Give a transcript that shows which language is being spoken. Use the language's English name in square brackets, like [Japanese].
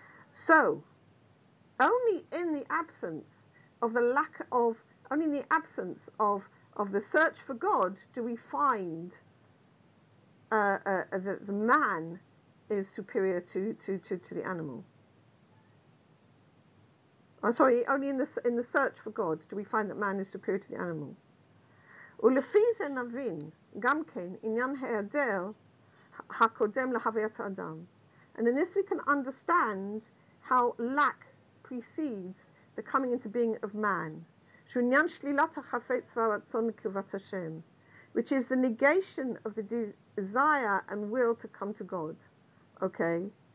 [English] So, only in the absence of the search for God do we find that the man is superior to the animal. I'm sorry, only in the search for God do we find that man is superior to the animal. [Hebrew] ולפי זה נבין גם כן עניין היעדר הקודם להוויית האדם. [English] And in this we can understand how lack precedes the coming into being of man. [Hebrew] שעניין שלילת החפץ והרצון לקרבת השם, [English] which is the negation of the desire and will to come to God. Okay.